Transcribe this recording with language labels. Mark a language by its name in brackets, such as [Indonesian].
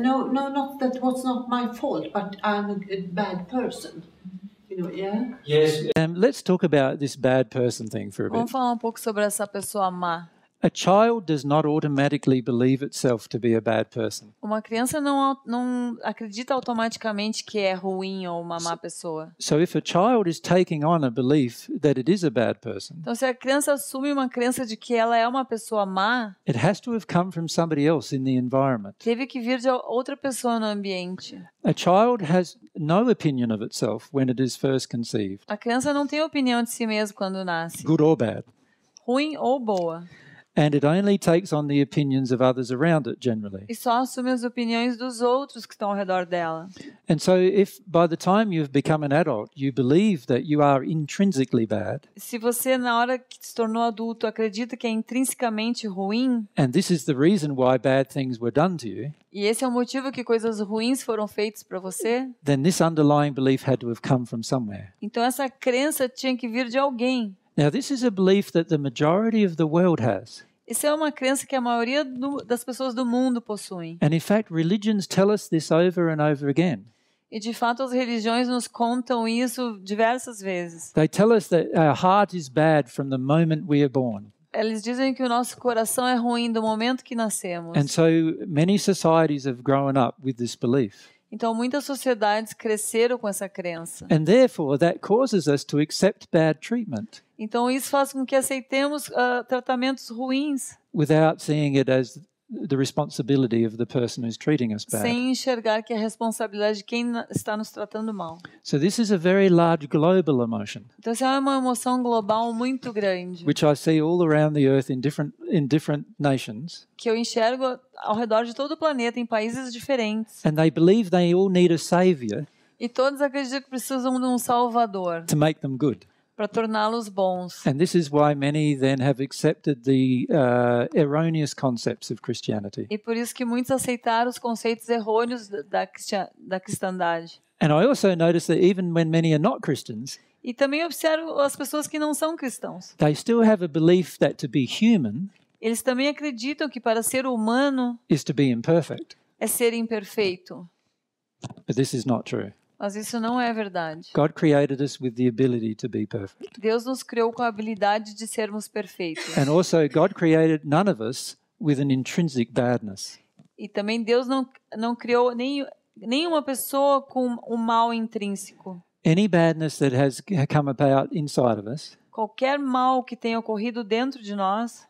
[English] No, not that was not my fault, but I'm a bad person. You know, yeah? Yes. Let's talk about this bad person thing for a bit. [Portuguese] Vamos falar um pouco sobre essa pessoa má. [English] A child does not automatically believe itself to be a bad person. [Portuguese] Uma criança não acredita automaticamente que é ruim ou uma má pessoa. [English] So if a child is taking on a belief that it is a bad person. [Portuguese] Então se a criança assume uma crença de que ela é uma pessoa má. [English] It has to have come from somebody else in the environment. [Portuguese] Teve que vir de outra pessoa no ambiente. [English] A child has no opinion of itself when it is first conceived. [Portuguese] A criança não tem opinião de si mesmo quando nasce. [English] Good or bad. [Portuguese] Ruim ou boa. [English] And it only takes on the opinions of others around it, generally. [Portuguese] E só assume as opiniões dos outros que estão ao redor dela. [English] And so if by the time you've become an adult, you believe that you are intrinsically bad. [Portuguese] Se você na hora que se tornou adulto acredita que é intrinsecamente ruim. [English] And this is the reason why bad things were done to you. [Portuguese] E esse é o motivo que coisas ruins foram feitas para você. [English] Then this underlying belief had to have come from somewhere. [Portuguese] Então essa crença tinha que vir de alguém. [English] Now this is a belief that the majority of the world has. [Portuguese] Isso é uma crença que a maioria das pessoas do mundo possuem. [English] And in fact, religions tell us this over and over again. [Portuguese] E de fato as religiões nos contam isso diversas vezes. [English] They tell us that our heart is bad from the moment we are born. [Portuguese] Eles dizem que o nosso coração é ruim do momento que nascemos. [English] And so many societies have grown up with this belief. [Portuguese] Então muitas sociedades cresceram com essa crença. [English] And therefore that causes us to accept bad treatment. [Portuguese] Então isso faz com que aceitemos tratamentos ruins. [English] Without seeing it as the responsibility of the person who's treating us bad. [Portuguese] Sem enxergar que é a responsabilidade de quem está nos tratando mal. [English] So this is a very large global emotion. [Portuguese] Então isso é uma emoção global muito grande. [English] Which I see all around the earth in different nations. [Portuguese] Que eu enxergo ao redor de todo o planeta em países diferentes. [English] And they believe they all need a savior. [Portuguese] E todos acreditam que precisam de um salvador. [English] To make them good. [Portuguese] Para torná-los bons. [English] And this is why many then have accepted the erroneous concepts of Christianity. [Portuguese] E por isso que muitos aceitaram os conceitos errôneos da cristandade. [English] And I also notice that even when many are not Christians, [Portuguese] e também observo as pessoas que não são cristãos. [English] They still have a belief that to be human, [Portuguese] eles também acreditam que para ser humano [English] is to be imperfect. [Portuguese] É ser imperfeito. [English] But this is not true. [Portuguese] Mas isso não é verdade. [English] God created us with the ability to be perfect. [Portuguese] Deus nos criou com a habilidade de sermos perfeitos. [English] And also God created none of us with an intrinsic badness. [Portuguese] E também Deus não criou nenhuma pessoa com um mal intrínseco. [English] Any badness that has come about inside of us. [Portuguese] Qualquer mal que tenha ocorrido dentro de nós.